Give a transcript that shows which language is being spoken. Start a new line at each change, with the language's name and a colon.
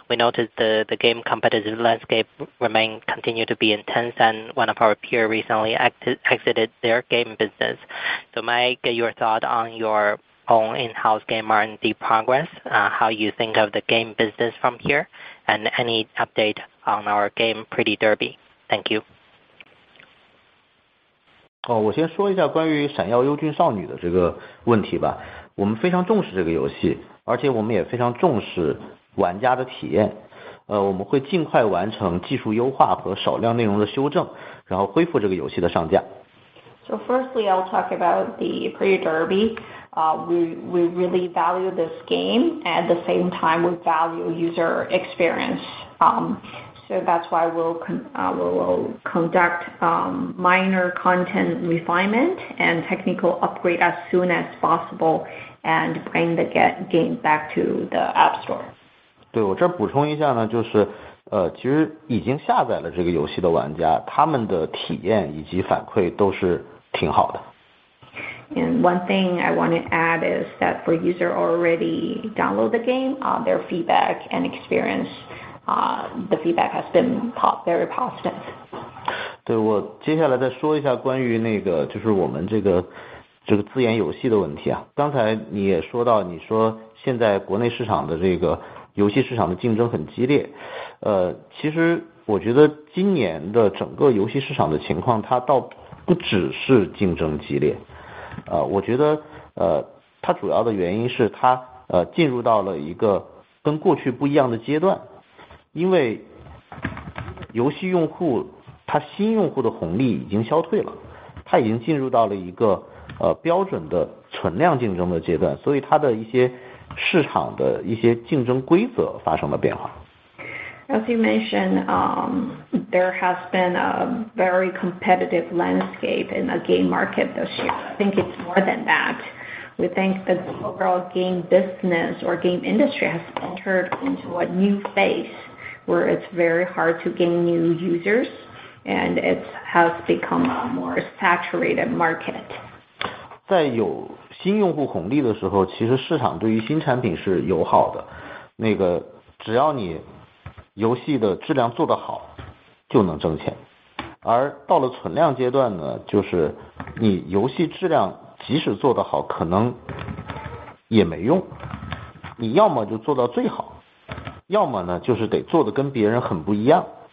English: We noticed the game competitive landscape continue to be intense, and one of our peers recently exited their game business. So may I get your thought on your own in-house game R&D progress, how you think of the game business from here, and any update on our game Pretty Derby. Thank you.
Chinese: 哦，我先说一下关于《闪耀幽郡少女》的这个问题吧。我们非常重视这个游戏，而且我们也非常重视玩家的体验。我们会尽快完成技术优化和少量内容的修正，然后恢复这个游戏的上架。
English: So firstly, I'll talk about the Pretty Derby. We really value this game, and at the same time, we value user experience. So that's why we will conduct minor content refinement and technical upgrade as soon as possible and bring the game back to the App Store.
Chinese: 对，我这儿补充一下呢，就是其实已经下载了这个游戏的玩家，他们的体验以及反馈都是挺好的。
English: And one thing I want to add is that for users already download the game, their feedback and experience. The feedback has been very positive.
Chinese: 对，我接下来再说一下关于那个就是我们这个自研游戏的问题啊。刚才你也说到，你说现在国内市场的这个游戏市场的竞争很激烈，其实我觉得今年的整个游戏市场的情况它倒不只是竞争激烈，我觉得它主要的原因是它进入到了一个跟过去不一样的阶段，因为游戏用户它新用户的红利已经消退了，它已经进入到了一个标准的存量竞争的阶段，所以它的一些市场的一些竞争规则发生了变化。
English: As you mentioned, there has been a very competitive landscape in the game market this year. I think it's more than that. We think the overall game business or game industry has entered into a new phase where it's very hard to gain new users and it has become a more saturated market.
Chinese: 在有新用户红利的时候，其实市场对于新产品是友好的。那个，只要你游戏的质量做得好就能挣钱，而到了存量阶段呢，就是你游戏质量即使做得好可能也没用，你要么就做到最好，要么呢就是得做得跟别人很不一样。